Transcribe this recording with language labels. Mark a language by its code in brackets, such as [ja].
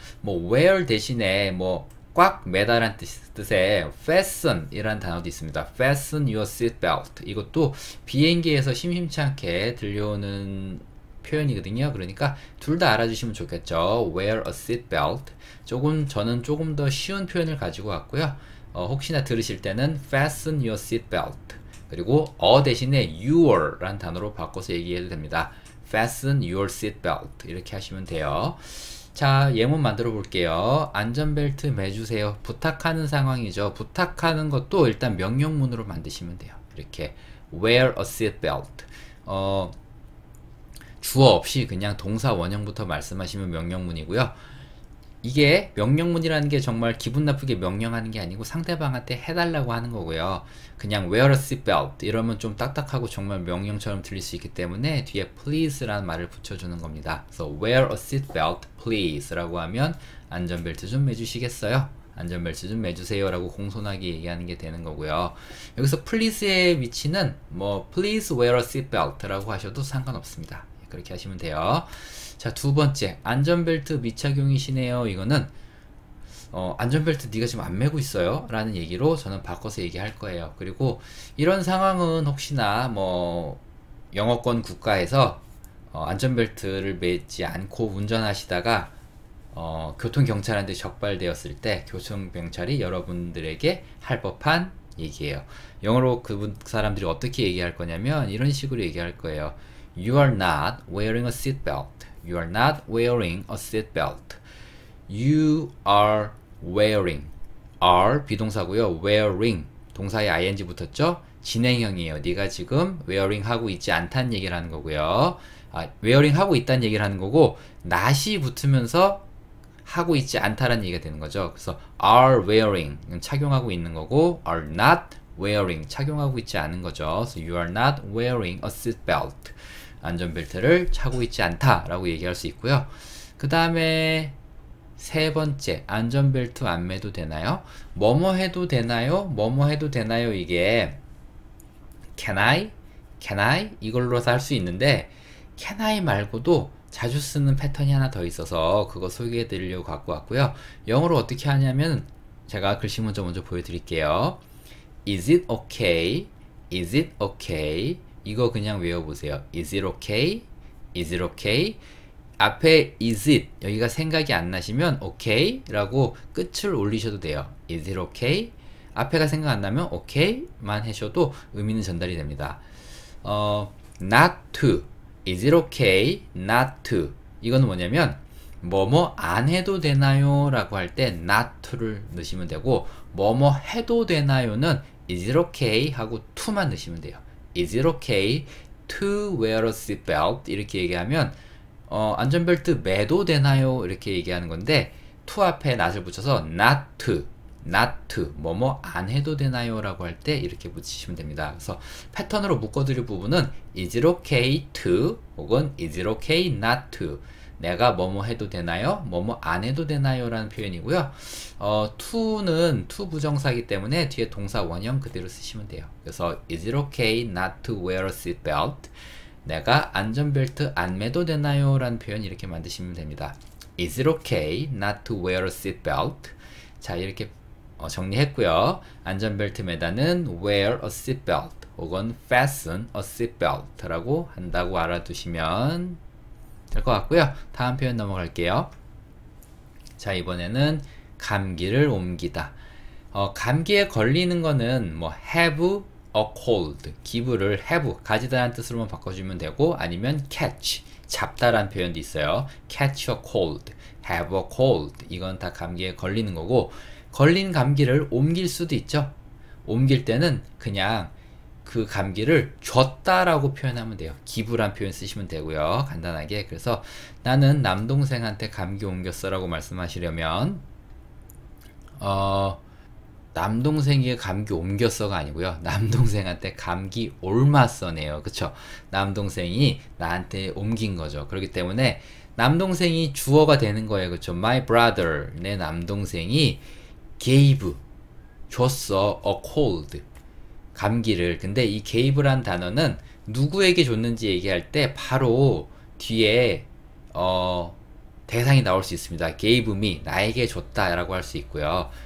[ko] 뭐 wear 대신에 뭐꽉 매다란 뜻의 fasten 이란 단어도 있습니다. [en] fasten your seat belt. [ko] 이것도 비행기에서 심심찮게 들려오는 표현이거든요. 그러니까 둘다 알아주시면 좋겠죠. [en] wear a seat belt. [ko] 저는 조금 더 쉬운 표현을 가지고 왔고요. 혹시나 들으실 때는 [en] fasten your seat belt. [ko] 그리고 대신에 your 란 단어로 바꿔서 얘기해도 됩니다. [en] fasten your seat belt. [ko] 이렇게 하시면 돼요. 자, 예문 만들어 볼게요. 안전벨트 매주세요. 부탁하는 상황이죠. 부탁하는 것도 일단 명령문으로 만드시면 돼요. 이렇게 [en] wear a seat belt. [ko] 주어 없이 그냥 동사 원형부터 말씀하시면 명령문이고요. 이게 명령문이라는 게 정말 기분 나쁘게 명령하는 게 아니고 상대방한테 해달라고 하는 거고요. 그냥 [en] wear a seat belt [ko] 이러면 좀 딱딱하고 정말 명령처럼 들릴 수 있기 때문에 뒤에 please라는 말을 붙여주는 겁니다. [en] So wear a seat belt, please라고 [ko] 하면 안전벨트 좀 매주시겠어요? 안전벨트 좀 매주세요라고 공손하게 얘기하는 게 되는 거고요. 여기서 please의 위치는 뭐 [en] please wear a seat belt [ko] 라고 하셔도 상관없습니다. 그렇게 하시면 돼요. 자, 두 번째. 안전벨트 미착용이시네요. 이거는 안전벨트 네가 지금 안 메고 있어요? 라는 얘기로 저는 바꿔서 얘기할 거예요. 그리고 이런 상황은 혹시나 뭐 영어권 국가에서 안전벨트를 매지 않고 운전하시다가 교통경찰한테 적발되었을 때 교통경찰이 여러분들에게 할 법한 얘기예요. 영어로 그분 사람들이 어떻게 얘기할 거냐면 이런 식으로 얘기할 거예요. [en] You are not wearing a seat belt. You are not wearing a seat belt. You are wearing. Are [ko] 비동사고요. Wearing 동사에 ing 붙었죠? 진행형이에요. 네가 지금 wearing 하고 있지 않다는 얘기를 하는 거고요. 아, wearing 하고 있다는 얘기를 하는 거고 not이 붙으면서 하고 있지 않다라는 얘기가 되는 거죠. 그래서 are wearing 착용하고 있는 거고 [en] are not wearing [ko] 착용하고 있지 않은 거죠. [en] So you are not wearing a seat belt. [ko] 안전벨트를 차고 있지 않다라고 얘기할 수 있고요. 그 다음에 세 번째, 안전벨트 안 매도 되나요? 뭐뭐 해도 되나요? 뭐뭐 해도 되나요? 이게 [en] can I? can I? [ko] 이걸로서 할수 있는데 Can I 말고도 자주 쓰는 패턴이 하나 더 있어서 그거 소개해 드리려고 갖고 왔고요. 영어로 어떻게 하냐면 제가 글씨 먼저 보여 드릴게요. [en] Is it okay? Is it okay? [ko] 이거 그냥 외워 보세요. [en] Is it okay? Is it okay? [ko] 앞에 is it 여기가 생각이 안 나시면 okay라고 끝을 올리셔도 돼요. [en] Is it okay? [ko] 앞에가 생각 안 나면 okay만 하셔도 의미는 전달이 됩니다. [en] Not to. Is it okay not to? [ko] 이거는 뭐냐면 뭐뭐 안 해도 되나요라고 할때 not to를 넣으시면 되고 뭐뭐 해도 되나요는 [en] is it okay [ko] 하고 to만 넣으시면 돼요. [en] Is it okay to wear a seat belt? [ko] 이렇게 얘기하면 안전벨트 매도 되나요? 이렇게 얘기하는 건데 to 앞에 not을 붙여서 not to 뭐뭐 안 해도 되나요라고 할때 이렇게 붙이시면 됩니다. 그래서 패턴으로 묶어드릴 부분은 is it okay to 혹은 [en] is it okay not to [ko] 내가 뭐뭐 해도 되나요? 뭐뭐 안 해도 되나요라는 표현이고요. to는 to 부정사이기 때문에 뒤에 동사 원형 그대로 쓰시면 돼요. 그래서 [en] is it okay not to wear a seat belt? [ko] 내가 안전벨트 안 매도 되나요라는 표현 이렇게 만드시면 됩니다. [en] Is it okay not to wear a seat belt? [ko] 자, 이렇게 정리했고요. 안전벨트 매다는 [en] wear a seat belt [ko] 혹은 [en] fasten a seat belt [ko] 라고 한다고 알아두시면 될것 같고요. 다음 표현 넘어갈게요. 자, 이번에는 감기를 옮기다. 감기에 걸리는 거는 뭐 [en] have a cold, [ko] give를 have, 가지다란 뜻으로만 바꿔주면 되고 아니면 catch, 잡다란 표현도 있어요. [en] catch a cold, have a cold. [ko] 이건 다 감기에 걸리는 거고 걸린 감기를 옮길 수도 있죠. 옮길 때는 그냥 그 감기를 줬다라고 표현하면 돼요. 기부란 표현 쓰시면 되고요. 간단하게. 그래서 나는 남동생한테 감기 옮겼어라고 말씀하시려면 남동생에게 감기 옮겼어가 아니고요. 남동생한테 감기 옮았어네요. 그쵸? 남동생이 나한테 옮긴 거죠. 그렇기 때문에 남동생이 주어가 되는 거예요. 그쵸? [en] My brother, [ko] 내 남동생이 [en] gave, 줬어, a cold, [ko] 감기를. 근데 이 gave란 단어는 누구에게 줬는지 얘기할 때 바로 뒤에 대상이 나올 수 있습니다. [en] gave me, [ko] 나에게 줬다라고 할수 있고요.